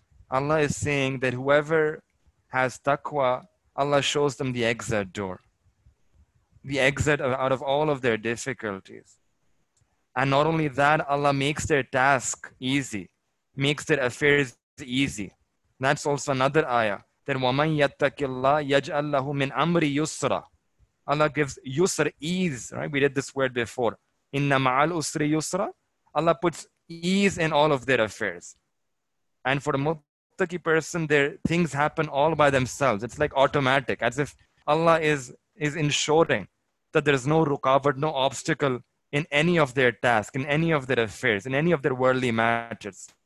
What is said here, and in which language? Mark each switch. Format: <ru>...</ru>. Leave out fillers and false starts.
<en>Allah is saying that whoever has taqwa, Allah shows them the exit door, the exit out of all of their difficulties. And not only that, Allah makes their task easy, makes their affairs easy. That's also another ayah.</en> <ar>Then, وَمَنْ يَتَّقِ اللَّهِ يَجْعَلْ لَهُ مِنْ أَمْرِ يُسْرًا.</ar> <en>Allah gives yusr, ease, right? We did this word before.</en> <ar>إِنَّ مَعَ الْأُسْرِ يُسْرًا.</ar> <en>Allah puts ease in all of their affairs. And for a muttaqi person, their things happen all by themselves. It's like automatic, as if Allah is ensuring that there is no rukawat, no obstacle in any of their tasks, in any of their affairs, in any of their worldly matters.</en>